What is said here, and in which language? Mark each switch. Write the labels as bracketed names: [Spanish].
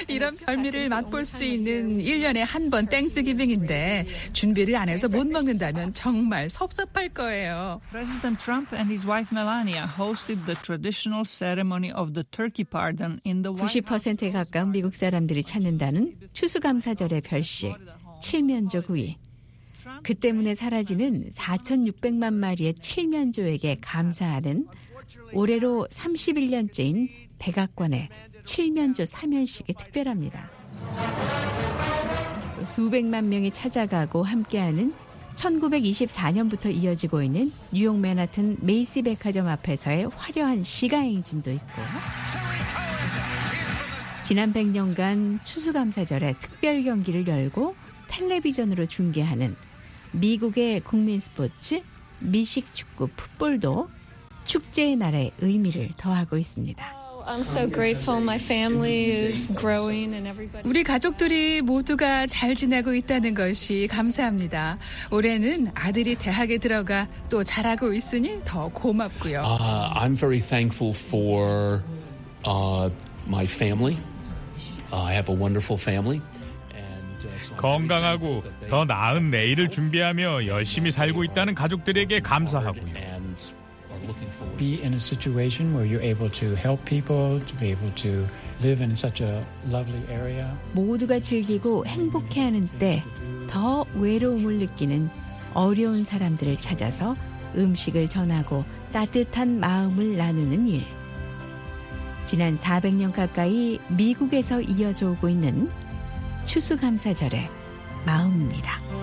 [Korean] 이런 별미를 맛볼 수 있는 1년에 한 번 땡스기빙인데 준비를 안 해서 못 먹는다면 정말 섭섭할 거예요. [English] President Trump and his wife Melania hosted the traditional ceremony of the turkey pardon in the White House. [Korean] 90%에 가까운 미국 사람들이 찾는다는 추수감사절의 별식, 칠면조 구이. 그 때문에 사라지는 4,600만 마리의 칠면조에게 감사하는 올해로 31년째인 백악관의 칠면조 사면식이 특별합니다. 수백만 명이 찾아가고 함께하는 1924년부터 이어지고 있는 뉴욕 맨하튼 메이시 백화점 앞에서의 화려한 시가 행진도 있고 지난 100년간 추수감사절에 특별 경기를 열고 텔레비전으로 중계하는 미국의 국민 스포츠 미식축구 풋볼도 축제의 날의 의미를 더하고 있습니다. [English] I'm so grateful my family is growing and everybody. [Korean] 우리 가족들이 모두가 잘 지내고 있다는 것이 감사합니다. 올해는 아들이 대학에 들어가 또 잘하고 있으니 더 고맙고요. [English] I'm very thankful for my family. I have a wonderful family. [Korean] 건강하고 더 나은 내일을 준비하며 열심히 살고 있다는 가족들에게 감사하고요. [English] Be in a situation where you're able to help people, to be able to live in such a lovely area. [Korean] 모두가 즐기고 행복해하는 때 더 외로움을 느끼는 어려운 사람들을 찾아서 음식을 전하고 따뜻한 마음을 나누는 일. 지난 400년 가까이 미국에서 이어져 오고 있는 추수감사절의 마음입니다.